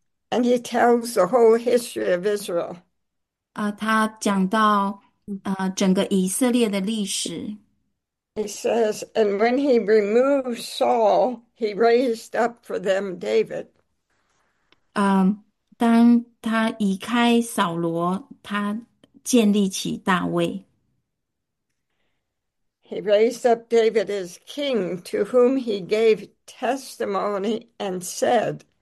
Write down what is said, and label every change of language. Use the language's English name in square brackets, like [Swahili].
[English] And he tells the whole history of Israel. [Chinese] 他讲到整个以色列的历史。 [English] He says, and when he removed Saul, he raised up for them David. [Chinese] 当他移开扫罗，他建立起大卫。 [English] He raised up David as king, to whom he gave testimony and said,